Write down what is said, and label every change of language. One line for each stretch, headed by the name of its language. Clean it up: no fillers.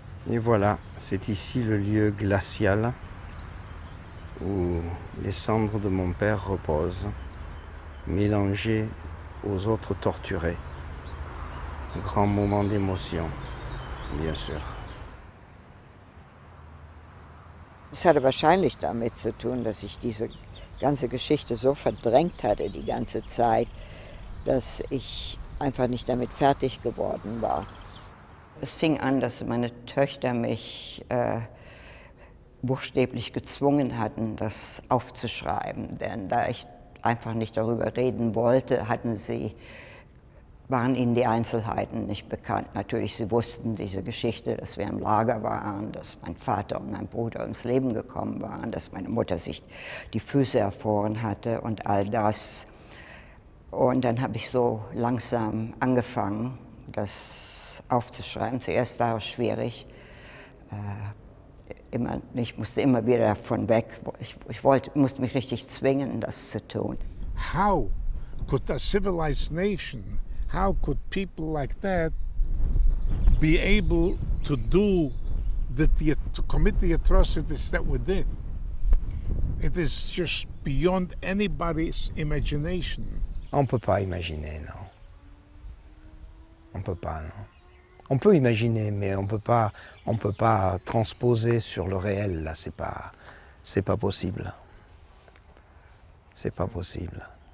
French: Et voilà, c'est ici le lieu glacial où les cendres de mon père reposent, mélangées aux autres torturés. Grand moment d'émotion, bien sûr.
German: Es hatte wahrscheinlich damit zu tun, dass ich diese ganze Geschichte so verdrängt hatte die ganze Zeit, dass ich einfach nicht damit fertig geworden war. Es fing an, dass meine Töchter mich buchstäblich gezwungen hatten, das aufzuschreiben. Denn da ich einfach nicht darüber reden wollte, waren ihnen die Einzelheiten nicht bekannt. Natürlich, sie wussten diese Geschichte, dass wir im Lager waren, dass mein Vater und mein Bruder ums Leben gekommen waren, dass meine Mutter sich die Füße erfroren hatte und all das. Und dann habe ich so langsam angefangen, das aufzuschreiben. Zuerst war es schwierig. Ich musste immer wieder davon weg. Ich musste mich richtig zwingen, das zu tun.
English: How could a civilized nation, how could people like that be able to do to commit the atrocities that we did? It is just beyond anybody's imagination.
French: On peut pas imaginer, non. On peut pas, non. On peut imaginer, mais on peut pas transposer sur le réel. Là, c'est pas possible. C'est pas possible.